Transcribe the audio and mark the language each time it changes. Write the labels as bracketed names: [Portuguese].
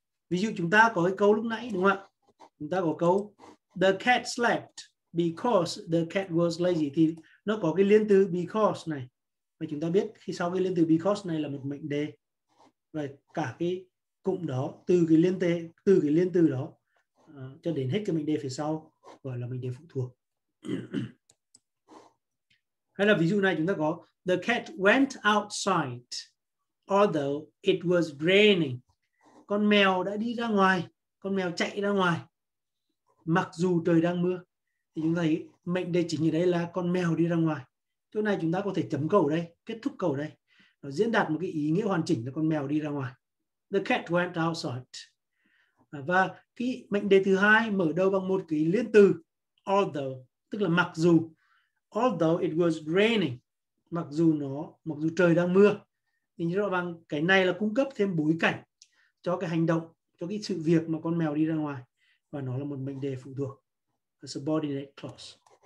[Vietnamese] Ví dụ chúng ta có cái câu lúc nãy đúng không ạ? Chúng ta có câu [English] the cat slept because the cat was lazy, [Vietnamese] thì nó có cái liên từ because này. Và chúng ta biết khi sau cái liên từ because này là một mệnh đề. Rồi cả cái cụm đó, từ cái liên từ đó cho đến hết cái mệnh đề phía sau gọi là mệnh đề phụ thuộc. Hay là ví dụ này chúng ta có [English] the cat went outside although it was raining. [Vietnamese] Con mèo đã đi ra ngoài, con mèo chạy ra ngoài mặc dù trời đang mưa. Thì chúng ta thấy mệnh đề chính ở đây là con mèo đi ra ngoài. Chỗ này chúng ta có thể chấm câu ở đây, kết thúc câu ở đây. Nó diễn đạt một cái ý nghĩa hoàn chỉnh là con mèo đi ra ngoài. [English] The cat went outside. [Vietnamese] Và cái mệnh đề thứ hai mở đầu bằng một cái liên từ although, tức là mặc dù. [English] Although it was raining, [Vietnamese] mặc dù trời đang mưa. Thì như rõ ràng cái này là cung cấp thêm bối cảnh cho cái hành động, cho cái sự việc mà con mèo đi ra ngoài. Và nó là một mệnh đề phụ thuộc, [English] a subordinate clause.